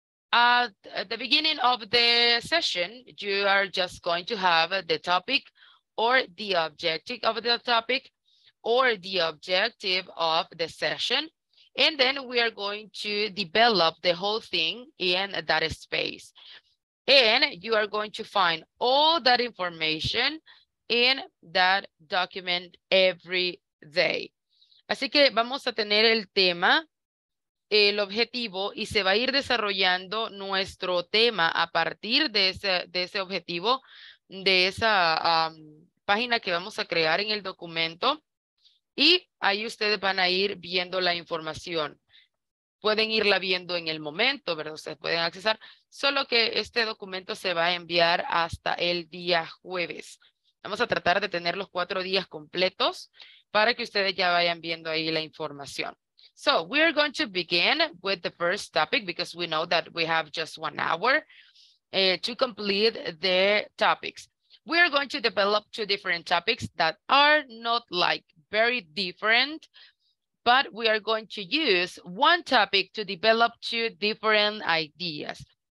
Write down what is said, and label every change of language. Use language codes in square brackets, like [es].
[en] At the beginning of the session, you are just going to have the topic or the objective of the topic or the objective of the session. And then we are going to develop the whole thing in that space. And you are going to find all that information in that document every day. [es] Así que vamos a tener el tema, el objetivo, y se va a ir desarrollando nuestro tema a partir de ese objetivo, de esa página que vamos a crear en el documento. Y ahí ustedes van a ir viendo la información. Pueden irla viendo en el momento, ¿verdad? Ustedes pueden accesar, solo que este documento se va a enviar hasta el día jueves. Vamos a tratar de tener los 4 días completos para que ustedes ya vayan viendo ahí la información. [en] So, we are going to begin with the first topic because we know that we have just 1 hour to complete the topics. We are going to develop 2 different topics that are not like very different, but we are going to use 1 topic to develop 2 different ideas.